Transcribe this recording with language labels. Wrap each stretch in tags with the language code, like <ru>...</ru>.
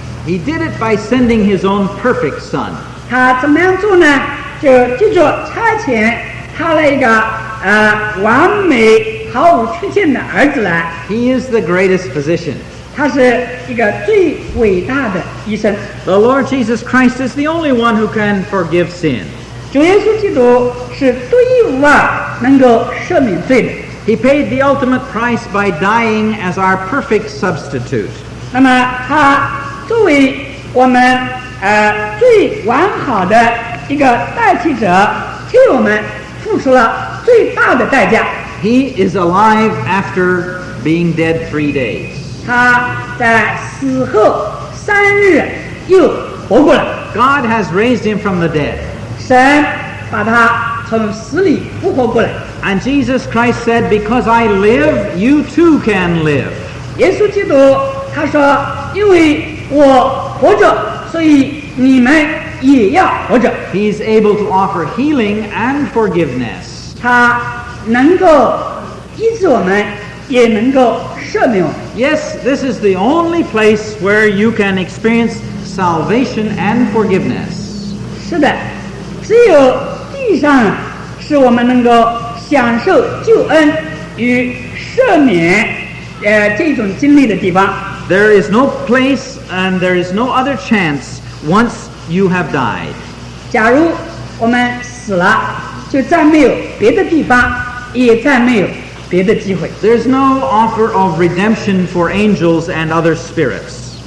<en>He did it by sending his own perfect son.</en> <zh>他怎么样做呢？就借着差遣他的一个完美毫无缺陷的儿子来。</zh> <en>He is the greatest physician.</en> <zh>他是一个最伟大的医生。</zh> <en>The Lord Jesus Christ is the only one who can forgive sin.</en> <zh>主耶稣基督是独一无二能够赦免罪的。</zh> <en>He paid the ultimate price by dying as our perfect substitute.</en> <zh>那么他作为我们最完好的一个代替者，替我们付出了最大的代价。</zh> <en>He is alive after being dead 3 days.</en> <zh>他在死后三日又活过了。</zh> <en>God has raised him from the dead.</en> <zh>神把他从死里复活过来。</zh> <en>And Jesus Christ said, "Because I live, you too can live."</en> <zh>耶稣基督他说，因为我活着，所以你们也要活着。</zh> <en>He is able to offer healing and forgiveness.</en> <zh>他能够医治我们，也能够赦免我们。</zh> <en>Yes, this is the only place where you can experience salvation and forgiveness.</en> <zh>是的，只有地上是我们能够享受救恩与赦免这种经历的地方。</zh> <en>There is no place and there is no other chance once you have died.</en> <zh>假如我们死了，就再没有别的地方，也再没有别的机会。</zh> <en>There is no offer of redemption for angels and other spirits.</en>